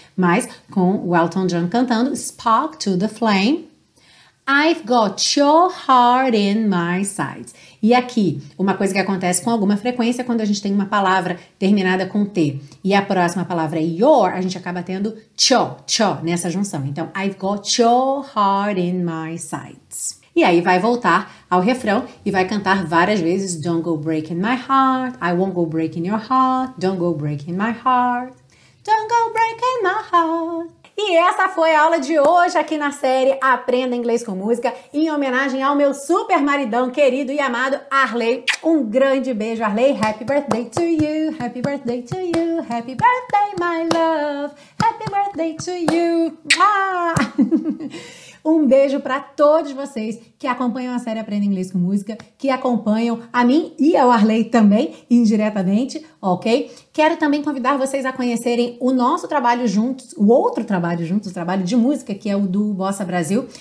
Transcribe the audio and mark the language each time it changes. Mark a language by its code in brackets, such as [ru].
[pt] Mas com o Elton John cantando, [en] spark to the flame. I've got your heart in my sights. [pt] E aqui, uma coisa que acontece com alguma frequência quando a gente tem uma palavra terminada com T. E a próxima palavra é [en] your, [pt] a gente acaba tendo cho, cho nessa junção. Então, [en] I've got your heart in my sights. [pt] E aí vai voltar ao refrão e vai cantar várias vezes. [en] Don't go breaking my heart. I won't go breaking your heart. Don't go breaking my heart. Don't go breaking my heart. [pt] E essa foi a aula de hoje aqui na série Aprenda Inglês com Música, em homenagem ao meu super maridão, querido e amado Arley. Um grande beijo, Arley. [en] Happy birthday to you, happy birthday to you, happy birthday, my love, happy birthday to you. Ah! [pt] Um beijo para todos vocês que acompanham a série Aprenda Inglês com Música, que acompanham a mim e ao Arley também, indiretamente, ok? Quero também convidar vocês a conhecerem o nosso trabalho juntos, o outro trabalho juntos, o trabalho de música, que é o do Bossa Brasil.